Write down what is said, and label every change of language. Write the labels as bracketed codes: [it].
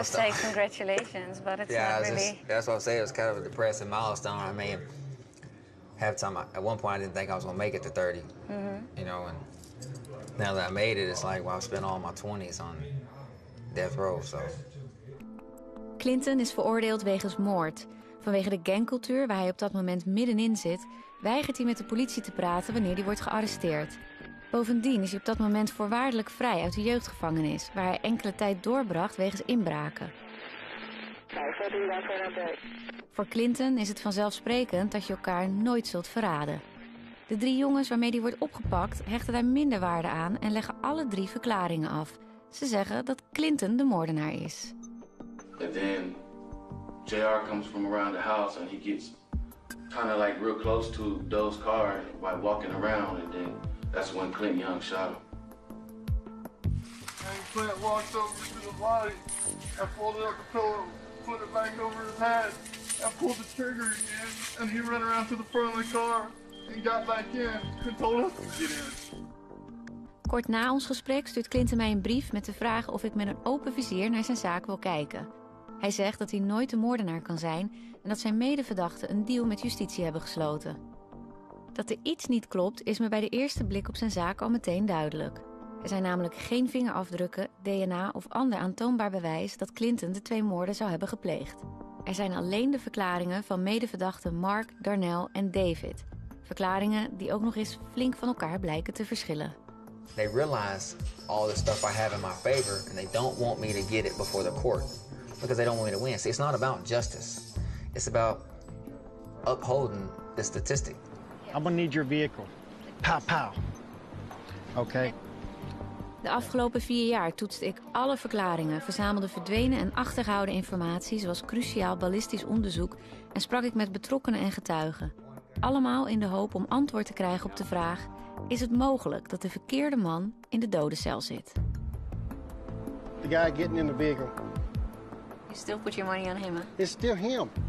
[en] I would have said congratulations, but it's yeah, not just, really. That's what I say. It was kind of a depressing milestone. I mean, half time, at one point, I didn't think I was going to make it to 30. Mm-hmm. You know, and now that I made it, it's like, well, I spent all my 20s on death row, so. [nl] Clinton is veroordeeld wegens moord. Vanwege de gangcultuur waar hij op dat moment middenin zit, weigert hij met de politie te praten wanneer hij wordt gearresteerd. Bovendien is hij op dat moment voorwaardelijk vrij uit de jeugdgevangenis, waar hij enkele tijd doorbracht wegens inbraken. Voor Clinton is het vanzelfsprekend dat je elkaar nooit zult verraden. De drie jongens waarmee hij wordt opgepakt hechten daar minder waarde aan en leggen alle drie verklaringen af. Ze zeggen dat Clinton de moordenaar is. [en] And then JR comes from around the house and he gets kind of like real close to Doe's car by walking around, and then that's when Clint Young shot him. And Clint walked over to the body and pulled it up the pillow, put it back over his head, and pulled the trigger again. And he ran around to the front of the car and got back in and told us to get in. [nl] Kort na ons gesprek stuurt Clinton mij een brief met de vraag of ik met een open vizier naar zijn zaak wil kijken. Hij zegt dat hij nooit de moordenaar kan zijn en dat zijn medeverdachten een deal met justitie hebben gesloten. Dat er iets niet klopt is me bij de eerste blik op zijn zaak al meteen duidelijk. Er zijn namelijk geen vingerafdrukken, DNA of ander aantoonbaar bewijs dat Clinton de twee moorden zou hebben gepleegd. Er zijn alleen de verklaringen van medeverdachten Mark, Darnell en David. Verklaringen die ook nog eens flink van elkaar blijken te verschillen. [en] they realize all the stuff I have in my favor, and they don't want me to get it before the court because they don't want me to win. See, it's not about justice. It's about upholding the statistic. I'm gonna need your vehicle. Pow, pow. Okay. [nl] De afgelopen vier jaar toetste ik alle verklaringen, verzamelde verdwenen en achtergehouden informatie, zoals cruciaal ballistisch onderzoek, en sprak ik met betrokkenen en getuigen. Allemaal in de hoop om antwoord te krijgen op de vraag: is het mogelijk dat de verkeerde man in de dodencel zit? [en] The guy getting in the vehicle. You still put your money on him, huh? It's still him.